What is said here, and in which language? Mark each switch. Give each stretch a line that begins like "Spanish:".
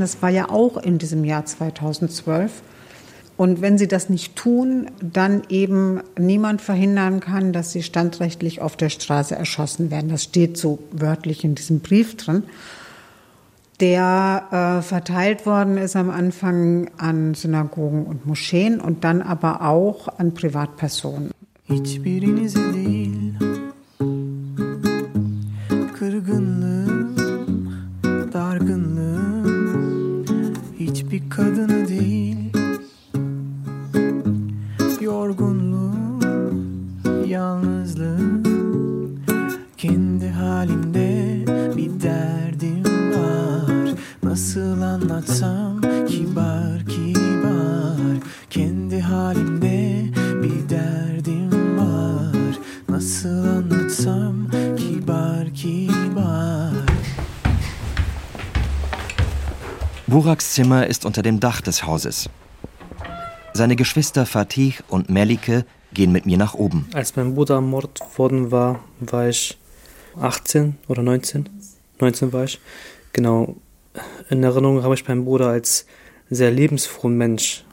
German: Das war ja auch in diesem Jahr 2012. Und wenn sie das nicht tun, dann eben niemand verhindern kann, dass sie standrechtlich auf der Straße erschossen werden. Das steht so wörtlich in diesem Brief drin. Der verteilt worden ist am Anfang an Synagogen und Moscheen und dann aber auch an Privatpersonen.
Turkish: Hiçbirinizi değil, kırgınlığım, dargınlığım, hiçbir kadını değil, yorgunluğum, yalnızlığım, kendi halimde bir derdim. Nasıl anlatsam kibar kibar kendi halimde bir derdim var. Nasıl anlatsam kibar kibar.
German: Buraks Zimmer ist unter dem Dach des Hauses. Seine Geschwister Fatih und Melike gehen mit mir nach oben. Als mein Bruder ermordet worden war, war ich 18 oder 19. 19 war ich, genau. In Erinnerung habe ich meinen Bruder als sehr lebensfrohen Mensch.